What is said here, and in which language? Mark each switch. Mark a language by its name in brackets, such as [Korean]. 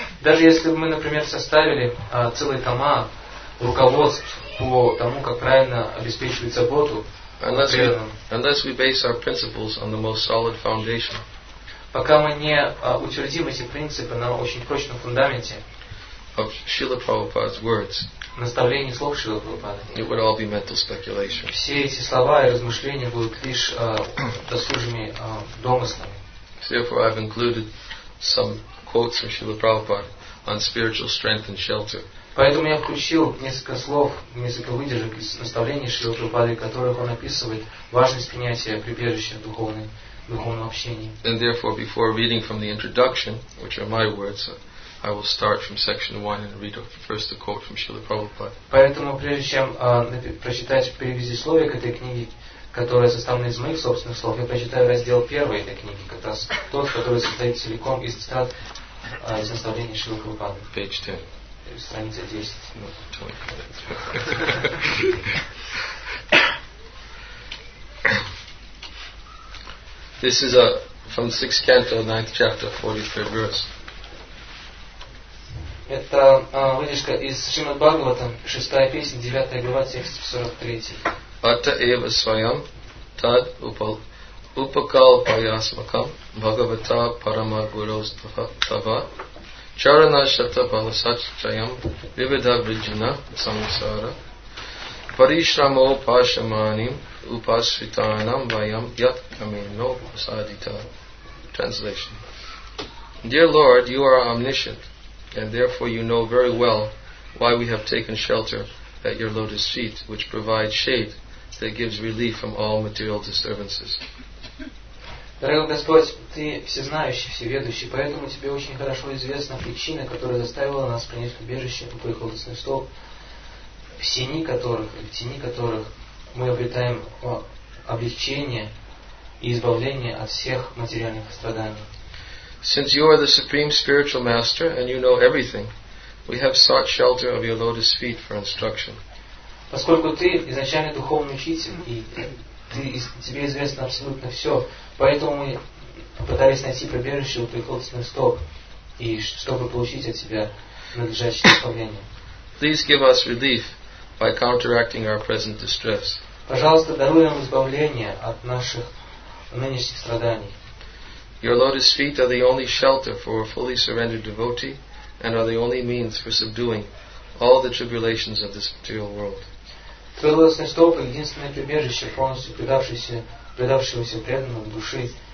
[Russian] Даже если бы мы, например, составили целые тома руководств по тому, как правильно обеспечивать заботу. [English] Unless we base our principles on the most solid foundation. [Russian] Пока мы не утвердим эти принципы на очень прочном фундаменте [English] of Srila Prabhupada's words, [Russian] наставлений слов Шрилы Прабхупады, [English] it would all be mental speculation. [Russian] Все эти слова и размышления будут лишь досужими домыслами. [English] Therefore, I've included some quotes from Srila Prabhupada on spiritual strength and shelter. [Russian] Поэтому я включил несколько слов, несколько выдержек из наставлений Шрилы Прабхупады, в которых он описывает важность принятия прибежища духовной. [English] And therefore, before reading from the introduction, which are my words, I will start from section 1 and read first the quote from Srila Prabhupada. [Russian] Поэтому прежде чем прочитать предисловие к этой книге, которая составлена из моих собственных слов, я прочитаю раздел 1 этой книги, как раз тот, который состоит целиком из цитат из наставления Шрилы Прабхупады. [English] Page 10. [Russian] Страница 10. [English] No, 20. This is from the 6th canto, 9th chapter, 43rd verse. [Russian] Это выдержка из Шримад Бхагаватам, 6-я песня, 9-я глава, текст 43. [Sanskrit] Атта эва свайам тад Upakalpayasmakam Bhagavata Paramagurostava Tava Charana Shatapala Satchayam Vivida Vrijana Samsara Parishramo Pashamani Upasvitanam Vayam Yat Kameno Prasadita. [English] Translation. Dear Lord, you are omniscient, and therefore you know very well why we have taken shelter at your lotus feet, which provides shade that gives relief from all material disturbances. [Russian] Дорогой Господь, Ты всезнающий, всеведущий, поэтому Тебе очень хорошо известна причина, которая заставила нас принять убежище у Твоих лотосных стоп, в тени которых мы обретаем облегчение и избавление от всех материальных страданий. [English] Since You are the Supreme Spiritual Master and You know everything, we have sought shelter of Your lotus feet for instruction. [Russian] Поскольку Ты изначально духовный учитель и Тебе известно абсолютно все, поэтому мы пытались найти прибежище у Твоих лотосных стоп, и чтобы получить от Тебя надлежащее исполнение. [English] Please give us relief by counteracting our present distress. [Russian] Пожалуйста, даруй нам избавление от наших нынешних страданий. [English] Your lotus feet are the only shelter for a fully surrendered devotee and are the only means for subduing all the tribulations of this material world. [Russian] Твои лотосные стопы – единственное прибежище полностью предавшегося преданного души.